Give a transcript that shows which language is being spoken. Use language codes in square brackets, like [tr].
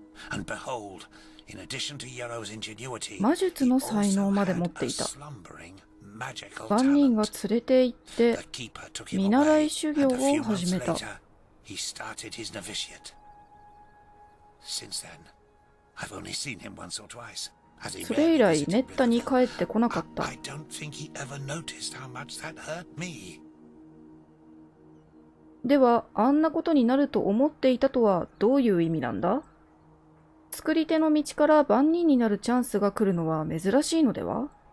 [en] And behold, in addition to Yarrow's ingenuity, he also had a slumbering magical talent. The keeper took him away, and a few months later, He started his novitiate. Since then, I've only seen him once or twice. As he went, [ja] それ以来めったに帰ってこなかった。 [en] I don't think he ever noticed how much that hurt me. [ja] では、あんなことになると思っていたとはどういう意味なんだ？作り手の道から万人になるチャンスが来るのは珍しいのでは？